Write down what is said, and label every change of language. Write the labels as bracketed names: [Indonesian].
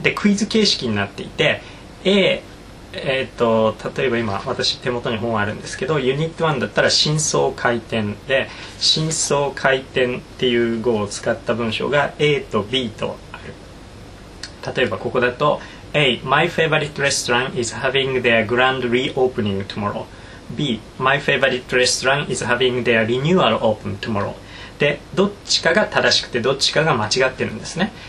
[Japanese] でクイズ形式になっていて、 例えば今私手元に本あるんですけど、ユニット1だったら深層回転で、深層回転っていう語を使った文章が A と B とある。例えばここだと A. [English] My favorite restaurant is having their grand reopening tomorrow. B. My favorite restaurant is having their renewal open tomorrow. [Japanese] でどっちかが正しくてどっちかが間違ってるんですね。